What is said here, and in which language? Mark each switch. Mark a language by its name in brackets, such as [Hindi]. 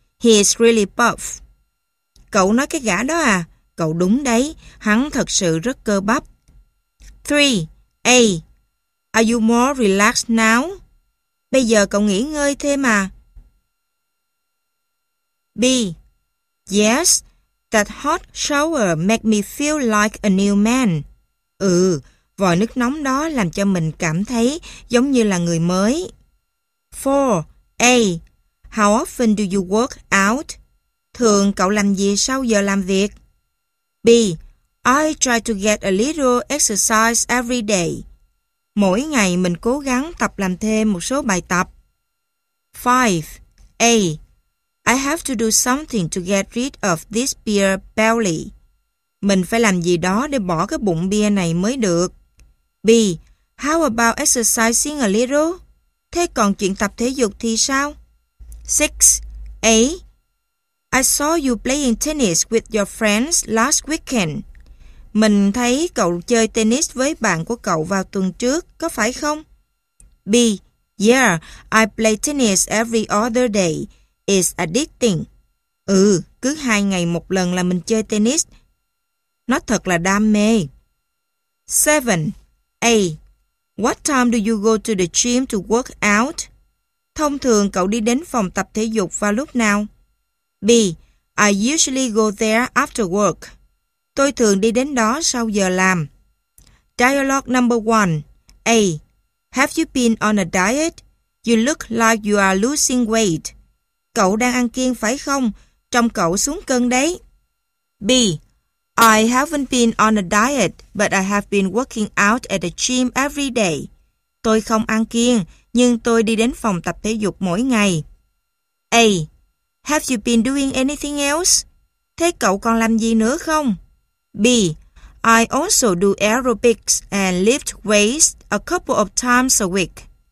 [English] He is really buff. [Vietnamese] Cậu nói cái gã đó à? Cậu đúng đấy. Hắn thật sự rất cơ bắp. 3. A. [English] Are you more relaxed now? [Vietnamese] Bây giờ cậu nghỉ ngơi thêm à? [English] B. Yes. That hot shower made me feel like a new man. [Vietnamese] Ừ, vòi nước nóng đó làm cho mình cảm thấy giống như là người mới. 4. A. [English] How often do you work out? [Vietnamese] Thường cậu làm gì sau giờ làm việc? B. [English] I try to get a little exercise every day. [Vietnamese] Mỗi ngày mình cố gắng tập làm thêm một số bài tập. 5. A. [English] I have to do something to get rid of this beer belly. [Vietnamese] Mình phải làm gì đó để bỏ cái bụng bia này mới được. [English] B. How about exercising a little? [Vietnamese] Thế còn chuyện tập thể dục thì sao? 6. A. [English] I saw you playing tennis with your friends last weekend. [Vietnamese] Mình thấy cậu chơi tennis với bạn của cậu vào tuần trước, có phải không? [English] B. Yeah, I play tennis every other day. It's addicting. [Vietnamese] Ừ, cứ hai ngày một lần là mình chơi tennis. Nó thật là đam mê. 7. A. [English] What time do you go to the gym to work out? [Vietnamese] Thông thường cậu đi đến phòng tập thể dục vào lúc nào? [English] B. I usually go there after work. [Vietnamese] Tôi thường đi đến đó sau giờ làm. [English] Dialogue number 1. A. Have you been on a diet? You look like you are losing weight. [Vietnamese] Cậu đang ăn kiêng phải không? Trông cậu xuống cân đấy. B. [English] I haven't been on a diet, but I have been working out at the gym every day. [Vietnamese] Tôi không ăn kiêng, nhưng tôi đi đến phòng tập thể dục mỗi ngày. [English] A. Have you been doing anything else? [Vietnamese] Thế cậu còn làm gì nữa không? [English] B. I also do aerobics and lift weights a couple of times a week.